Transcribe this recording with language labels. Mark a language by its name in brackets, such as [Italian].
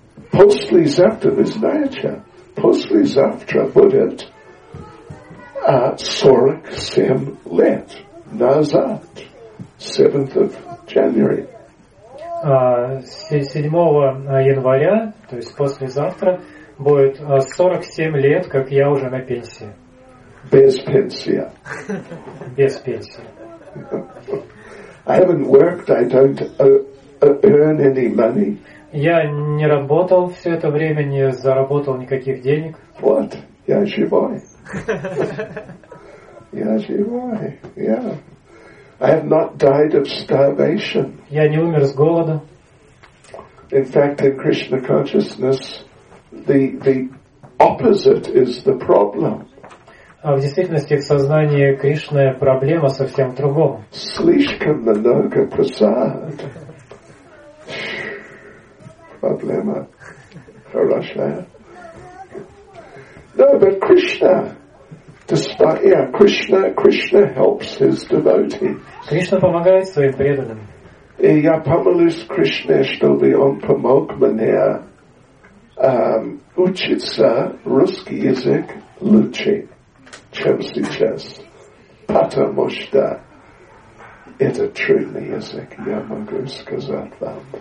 [Russian] Послезавтра, вы знаете, послезавтра будет 47 лет назад. [English] 7th of January. [Russian] 7 января, то есть послезавтра, будет 47 лет, как я уже на пенсии. Без пенсии. Без пенсии. [English] I haven't worked, I don't earn any money. [Russian] Я не работал все это время, не заработал никаких денег. [English] What? [Russian] Я живой. Я живой. [English] Yeah. I have not died of starvation. [Russian] Я не умер с голода. [English] In fact, in Krishna consciousness, the opposite is the problem. [Russian] А в действительности в сознании Кришны проблема совсем в другом. Слишком много просад. Проблема хорошая. [English] No, but Krishna, despite, yeah, Krishna helps his devotees. [Russian] Кришна помогает своим преданным. И я помолюсь Кришне, чтобы он помог мне учиться русский язык лучше, чем сейчас. Потому что это трудный язык, я могу сказать вам.